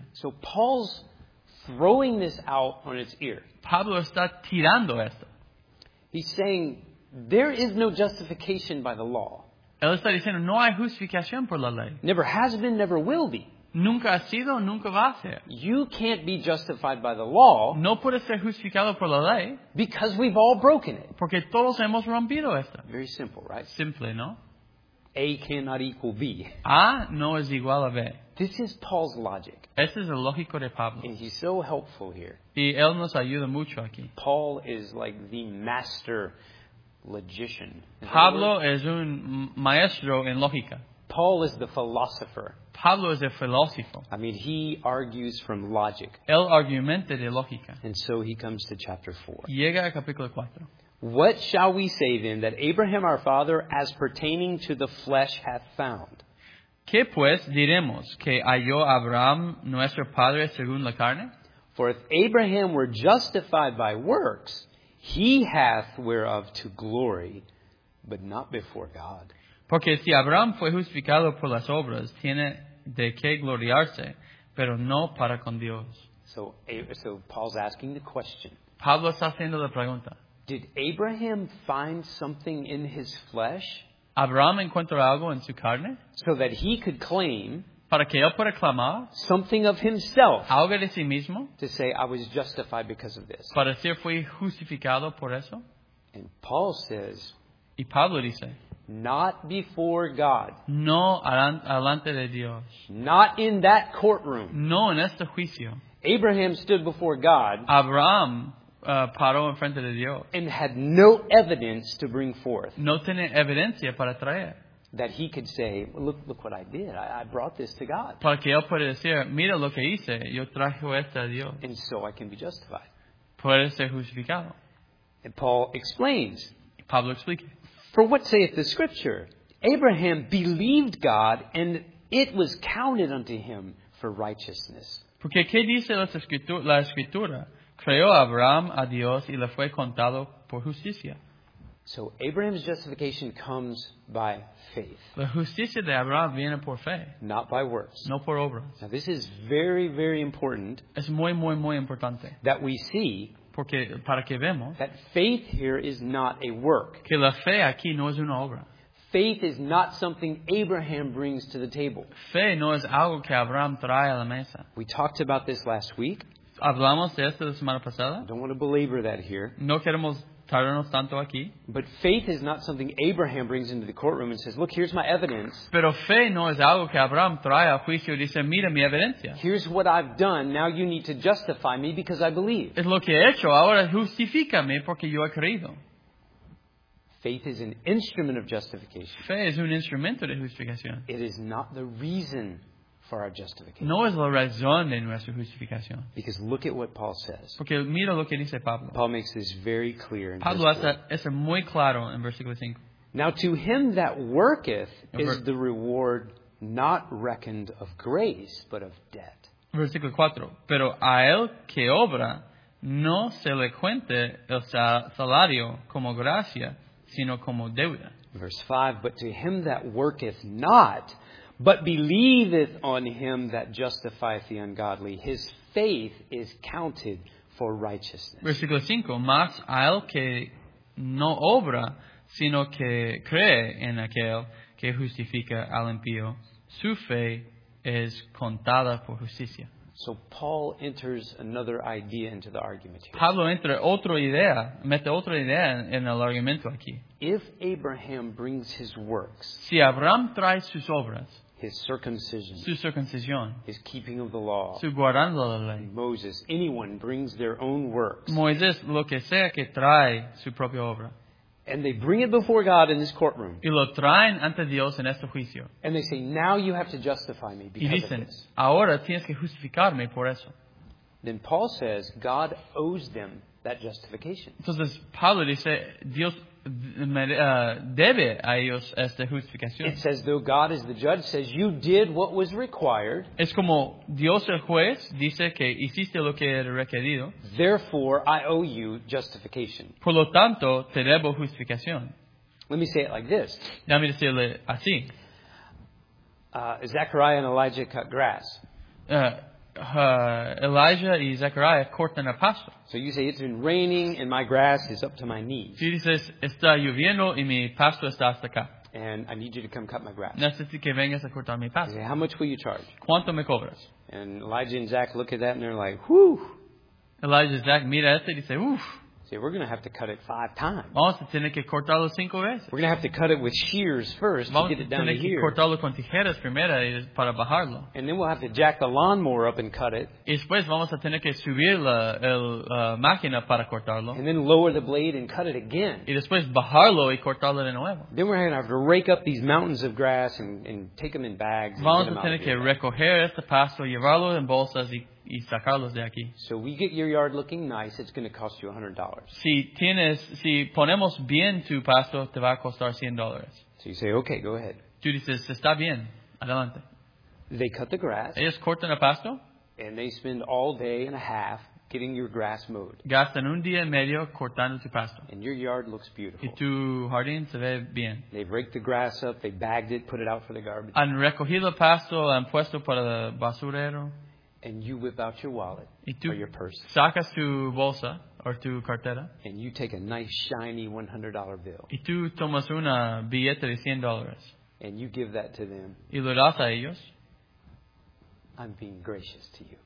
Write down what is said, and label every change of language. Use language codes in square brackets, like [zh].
[en] So Paul's throwing this out on its ear. [es] Pablo está tirando esto. [en] He's saying there is no justification by the law. [es] Él está diciendo no hay justificación por la ley. [en] Never has been, never will be. [es] Nunca ha sido, nunca va a ser. [en] You can't be justified by the law. [es] No puede ser justificado por la ley. [en] Because we've all broken it. [es] Porque todos hemos rompido esto. [en] Very simple, right? [es] Simple, ¿no? [en] A cannot equal B. [es] A no es igual a B. [en] This is Paul's logic. [es] Este es el lógico de Pablo. [en] And he's so helpful here. [es] Y él nos ayuda mucho aquí. [en] Paul is like the master logician. [es] Pablo es un maestro en lógica. [en] Paul is the philosopher. [es] Pablo es el filósofo. [en] I mean, he argues from logic. [es] Él argumenta de lógica. [en] And so he comes to chapter 4. [es] Llega al capítulo 4. [en] What shall we say then that Abraham our father, as pertaining to the flesh, hath found? [es] ¿Qué pues diremos que halló Abraham nuestro padre según la carne? [en] For if Abraham were justified by works, he hath whereof to glory, but not before God. [es] Porque si Abraham fue justificado por las obras, tiene de qué gloriarse, pero no para con Dios. [en] So Paul's asking the question. [es] Pablo está haciendo la pregunta. [en] Did Abraham find something in his flesh? [es] Abraham encontró algo en su carne? [en] So that he could claim [es] para que él pueda clamar [en] something of himself. [es] Algo de sí mismo? [en] To say I was justified because of this. [es] Para decir fui justificado por eso? [en] And Paul says, [es] y Pablo dice, [en] not before God. [es] No delante de Dios. [en] Not in that courtroom. [es] No en este juicio. [en] Abraham stood before God. [es] Abraham paró en frente de Dios. [en] And had no evidence to bring forth. [es] No tiene evidencia para traer. [en] That he could say, look what I did. I brought this to God. [es] Para que él pueda decir, mira lo que hice. Yo traje esto a Dios. [en] And so I can be justified. [es] Puede ser justificado. [en] And Paul explains. [es] Pablo explica. [en] For what saith the scripture? Abraham believed God, and it was counted unto him for righteousness. [es] Porque ¿qué dice la escritura? Creyó Abraham a Dios y le fue contado por justicia. [en] So Abraham's justification comes by faith. [es] La justicia de Abraham viene por fe. [en] Not by works. [es] No por obras. [en] Now this is very, very important. [es] Es muy, muy, muy importante. [en] That we see. [es] Porque, para que vemos. [en] That faith here is not a work. [es] Que la fe aquí no es una obra. [en] Faith is not something Abraham brings to the table. [es] Fe no es algo que Abraham trae a la mesa. [en] We talked about this last week. [es] Hablamos de esto la semana pasada. [en] Don't want to belabor that here. [es] No queremos tardarnos tanto aquí. [en] But faith is not something Abraham brings into the courtroom and says, look, here's my evidence. [es] Pero fe no es algo que Abraham trae al juicio y dice, mira mi evidencia. [en] Here's what I've done. Now you need to justify me because I believe. [es] Es lo que he hecho. Ahora justifícame porque yo he creído. [en] Faith is an instrument of justification. [es] Fe es un instrumento de justificación. [en] It is not the reason for our justification. [es] No es la razón de nuestra justificación. [en] Because look at what Paul says. [es] Porque mira lo que dice Pablo. [en] Paul makes this very clear in [es] Pablo hace muy claro en versículo 5. [en] Now to him that worketh is the reward not reckoned of grace, but of debt. [es] Versículo 4. Pero a él que obra no se le cuente el salario como gracia, sino como deuda. [en] Verse 5. But to him that worketh not, but believeth on him that justifieth the ungodly, his faith is counted for righteousness. [es] Versículo 5. Mas a él que no obra, sino que cree en aquel que justifica al impío, su fe es contada por justicia. [en] So Paul enters another idea into the argument here. [es] Pablo entra otra idea, mete otra idea en el argumento aquí. [en] If Abraham brings his works, [es] si Abraham trae sus obras, [en] his circumcision, [es] su circuncisión, [en] his keeping of the law, [es] su guardando la ley, [en] Moses, anyone brings their own works, [es] Moisés, lo que sea que trae su propia obra, [en] and they bring it before God in this courtroom. [es] Y lo traen ante Dios en este juicio. [en] And they say, now you have to justify me because [es] y dicen, [en] of this. [es] Ahora tienes que justificarme por eso. [en] Then Paul says, God owes them that justification. [es] Entonces Pablo dice, Dios debe a ellos esta justificación. [en] It says, though God is the judge, says you did what was required. [es] Es como Dios el juez dice que hiciste lo que era requerido. [en] Therefore, I owe you justification. [es] Por lo tanto, te debo justificación. [en] Let me say it like this. [es] Déjame decirle así. [en] Zechariah and Elijah cut grass. [es] Elijah y Zechariah cortan a pasto. [en] So you say, it's been raining and my grass is up to my knees. [es] Y dices, está lloviendo y mi pasto está hasta acá. [en] And I need you to come cut my grass. [es] Necesito que vengas a cortar mi pasto. [en] Say, how much will you charge? [es] ¿Cuánto me cobras? [en] And Elijah and Zach look at that and they're like, whoo. [es] Elijah and Zach mira esto y dice, uff. [en] Say, we're going to have to cut it five times. [es] Vamos a tener que cortarlo cinco veces. [en] We're going to have to cut it with shears first [es] Vamos [en] to get it down to here. [es] Vamos a tener que cortarlo con tijeras primero para bajarlo. [en] And then we'll have to jack the lawnmower up and cut it. [es] Y después vamos a tener que subir la máquina para cortarlo. [en] And then lower the blade and cut it again. [es] Y después bajarlo y cortarlo de nuevo. [en] Then we're going to have to rake up these mountains of grass and take them in bags. [es] Vamos [en] and [es] a tener que recoger este pasto, llevarlo en bolsas y sacarlos de aquí. [en] So we get your yard looking nice, it's going to cost you $100. [es] Si ponemos bien tu pasto, te va a costar $100. [en] So you say, okay, go ahead. [es] Tú dices, está bien, adelante. [en] They cut the grass. [es] Ellos cortan el pasto. [en] And they spend all day and a half getting your grass mowed. [es] Gastan un día y medio cortando tu pasto. [en] And your yard looks beautiful. [es] Y tu jardín se ve bien. [en] They've raked the grass up, they bagged it, put it out for the garbage. [es] Han recogido el pasto, han puesto para el basurero. [en] And you whip out your wallet or your purse. [es] Sacas tu bolsa o tu cartera. [en] And you take a nice shiny $100 bill. [es] Y tú tomas una billete de $100. [en] And you give that to them. [es] Y lo das a ellos. [en] I'm being gracious to you.